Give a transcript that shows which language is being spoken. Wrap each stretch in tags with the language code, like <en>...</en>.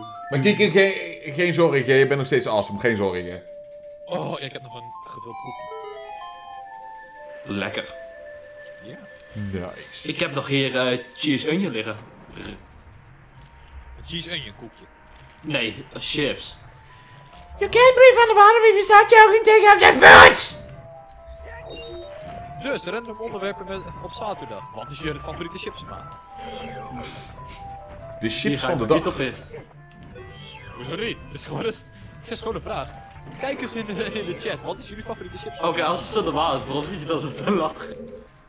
<nl>Maar kijk, geen zorgen, je bent nog steeds awesome, geen zorgen. Oh, ja, ik heb nog een gevuld koffie. Lekker! Ja? Nice! Ik heb nog hier cheese onion liggen. Een cheese onion koekje. Nee, chips.</nl> <en>You can't breathe underwater if you start choking, take off your boots!</en> <nl>Dus, random onderwerpen op zaterdag. Wat is je favoriete chips, man? De chips van de dag? Niet op in. Hoezo niet? Het is gewoon een vraag. Kijk eens in de chat, wat is jullie favoriete chips? Oké, als het zo normaal is, waarom zit je dan zo te lachen?</nl>